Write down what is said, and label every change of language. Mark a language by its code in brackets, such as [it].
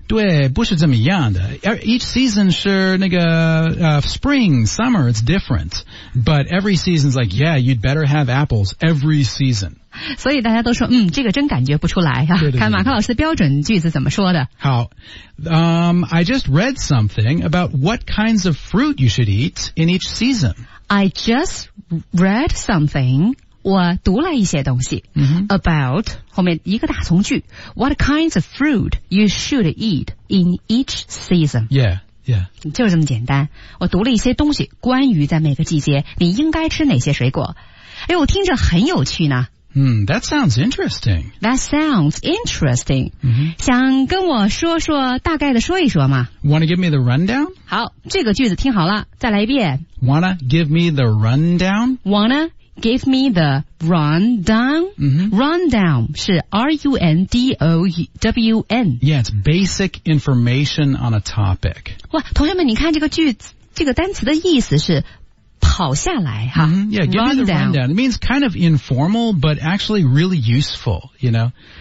[zh] 对不是这么一样的 [en] each season 是那个、spring, summer, it's different but every season's like yeah you'd better have apples every season [zh] 所以大家都说嗯这个真感觉不出来啊对对对看马克老师的标准句子怎么说的 [en] 好、I just read something about what kinds of fruit you should eat in each season I just read something [zh] 我读了一些东西、 [en] about 后面一个大从句 what kinds of fruit you should eat in each season yeah, yeah. [zh] 就这么简单我读了一些东西关于在每个季节你应该吃哪些水果哎，我听着很有趣呢 [en] That sounds interesting. That sounds interesting.、 [zh] 想跟我说说大概的说一说吗 [en] Wanna give me the rundown? [zh] 好这个句子听好了再来一遍 [en] Wanna give me the rundown? Wanna give me the rundown?、Rundown 是 R-U-N-D-O-W-N. Yeah, it's basic information on a topic. [zh] 哇同学们你看这个句子这个单词的意思是跑下来哈、 [en] yeah, give me the rundown. It means kind of informal, but actually really useful, you know?